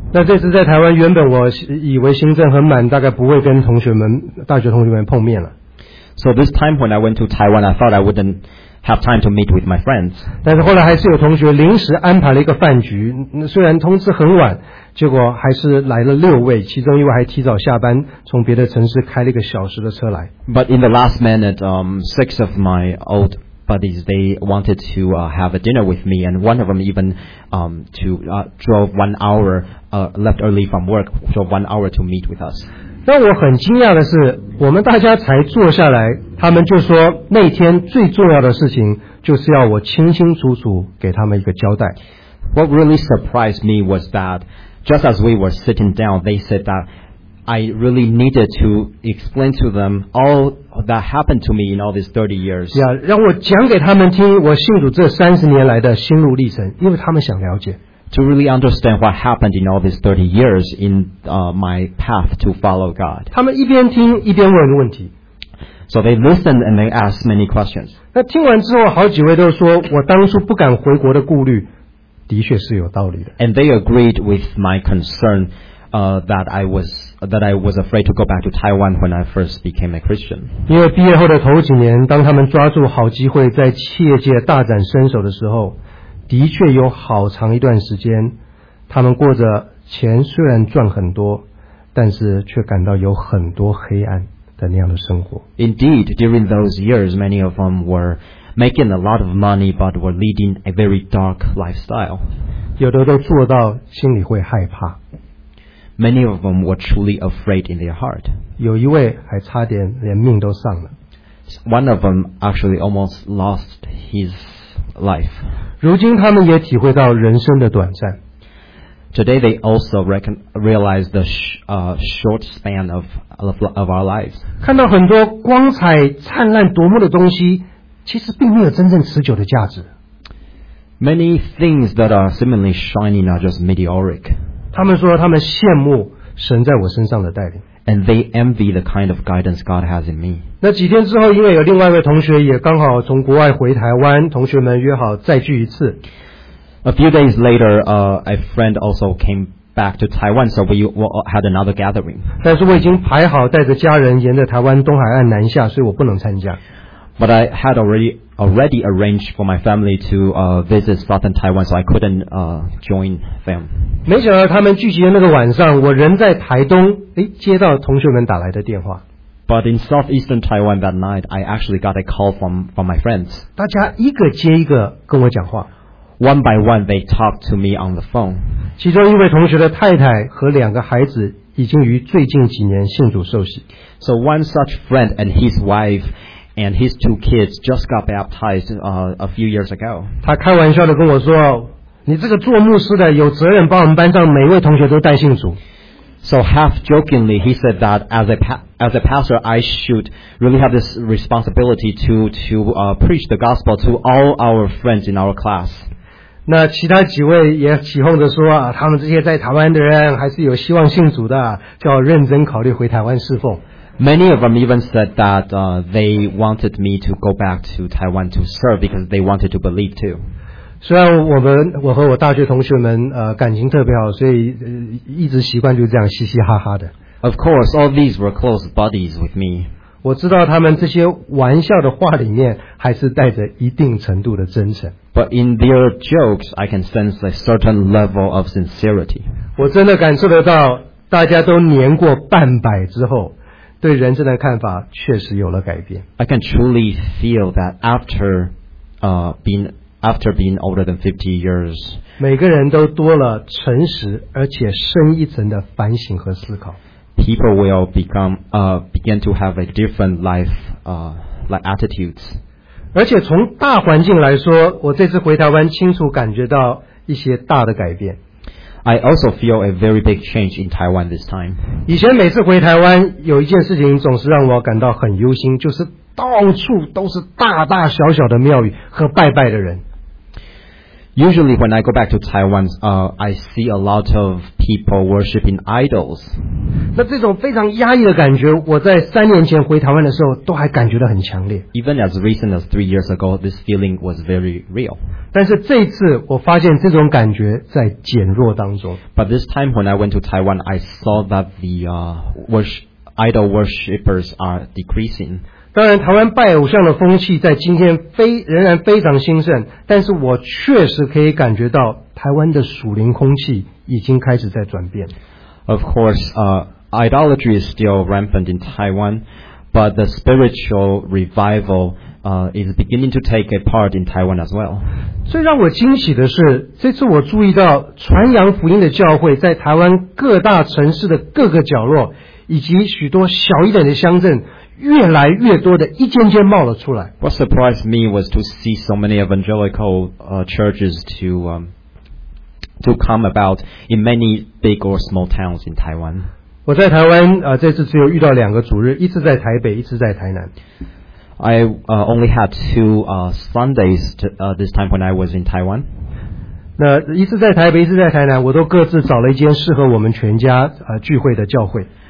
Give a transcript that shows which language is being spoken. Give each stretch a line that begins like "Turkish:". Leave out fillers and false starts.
Chinese: 那这次在台湾，原本我以为行程很满，大概不会跟同学们、大学同学们碰面了。
English: So this time when I went to Taiwan, I thought I wouldn't have time to meet with my friends.
Chinese: 但是后来还是有同学临时安排了一个饭局，虽然通知很晚，结果还是来了六位，其中一位还提早下班，从别的城市开了一个小时的车来。
English: But in the last minute, six of my old buddies, they wanted to have a dinner with me, and one of them even drove 1 hour, left early from work, drove 1 hour to meet with us.
Chinese: 但我很惊讶的是，我们大家才坐下来，他们就说那天最重要的事情就是要我清清楚楚给他们一个交代。
English: What really surprised me was that just as we were sitting down, they said that I really needed to explain to them all that happened to me in all these 30 years.
Chinese: Yeah, 让我讲给他们听我信主这三十年来的心路历程，因为他们想了解。
English: To really understand what happened in all these 30 years in my path to follow God.
Chinese: 他们一边听一边问问题。
English: So they listened and they asked many questions.
Chinese: 那听完之后，好几位都说我当初不敢回国的顾虑。的确是有道理的。
English: And they agreed with my concern, that I was afraid to go back to Taiwan when I first became a Christian.
Chinese: 因为毕业后的头几年，当他们抓住好机会在企业界大展身手的时候，的确有好长一段时间，他们过着钱虽然赚很多，但是却感到有很多黑暗的那样的生活。
English: Indeed, during those years, many of them were. Making a lot of money, but were leading a very dark lifestyle.
Chinese: 有的都做到心里会害怕。
English: Many of them were truly afraid in their heart.
Chinese: 有一位还差点连命都丧了。
English: One of them actually almost lost his life.
Chinese: 如今他们也体会到人生的短暂。
English: Today they also realize the short span of our lives.
Chinese: 看到很多光彩灿烂夺目的东西。其实并没有真正持久的价值。
English: Many things that are seemingly shining are just meteoric.
Chinese: 他们说他们羡慕神在我身上的带领。
English: And they envy the kind of guidance God has in me.
Chinese: 那几天之后，因为有另外一位同学也刚好从国外回台湾，同学们约好再聚一次。
English: A few days later, a friend also came back to Taiwan, so we had another gathering.
Chinese: 但是我已经排好带着家人沿着台湾东海岸南下，所以我不能参加。
English: But I had already arranged for my family to visit southern Taiwan, so I couldn't join them.
Chinese: 没想到他们聚集的那个晚上，我人在台东，哎，接到同学们打来的电话。
English: But in southeastern Taiwan that night, I actually got a call from my friends.
Chinese: 大家一个接一个跟我讲话。
English: One by one, they talked to me on the phone.
Chinese: 其中一位同学的太太和两个孩子已经于最近几年信主受洗。
English: So one such friend and his wife. And his two kids just got baptized a few years ago.
Chinese: 他开玩笑的跟我说，你这个做牧师的有责任把我们班上每位同学都带信主。
English: So half jokingly, he said that as a pastor, I should really have this responsibility to preach the gospel to all our friends in our class.
Chinese: 那其他几位也起哄着说，他们这些在台湾的人还是有希望信主的，叫认真考虑回台湾侍奉。
English: Many of them even said that they wanted me to go back to Taiwan to serve because they wanted to believe too.
Chinese: 虽然我和我大学同学们感情特别好，所以一直习惯就这样嘻嘻哈哈的。
English: Of course, all these were close buddies with me.
Chinese: 我知道他们这些玩笑的话里面还是带着一定程度的真诚。
English: But in their jokes, I can sense a certain level of sincerity.
Chinese: 我真的感受得到，大家都年过半百之后。对人生的看法确实有了改变。
English: I can truly feel that after being older than 50 years,
Chinese: 每个人都多了诚实而且深一层的反省和思考。
English: People will begin to have a different life, like attitudes.
Chinese: 而且从大环境来说，我这次回台湾清楚感觉到一些大的改变。
English: I also feel a very big change in Taiwan this time.
Chinese: 以前每次回台湾，有一件事情总是让我感到很忧心，就是到处都是大大小小的庙宇和拜拜的人。
English: Usually when I go back to Taiwan, I see a lot of people worshiping idols.
Chinese: 那这种非常压抑的感觉，我在三年前回台湾的时候都还感觉得很强烈。
English: Even as recent as 3 years ago, this feeling was very real.
Chinese: 但是这一次我发现这种感觉在减弱当中。
English: But this time when I went to Taiwan, I saw that the idol worshippers are decreasing.
Chinese: 当然台湾拜偶像的风气在今天仍然非常兴盛，但是我确实可以感觉到台湾的属灵空气已经开始在转变。
English: Of course, idolatry is still rampant in Taiwan, but the spiritual revival, is beginning to take a part in Taiwan as well.
Chinese: 最让我惊喜的是，这次我注意到传扬福音的教会在台湾各大城市的各个角落以及许多小一点的乡镇越来越多的一间间冒了出来。
English: What surprised me was to see so many evangelical churches to come about in many big or small towns in Taiwan.
Chinese: 我在台湾这次只有遇到两个主日，一次在台北，一次在台南。
English: I only had two Sundays this time when I was in Taiwan.
Chinese: 那一次在台北，一次在台南，我都各自找了一间适合我们全家聚会的教会。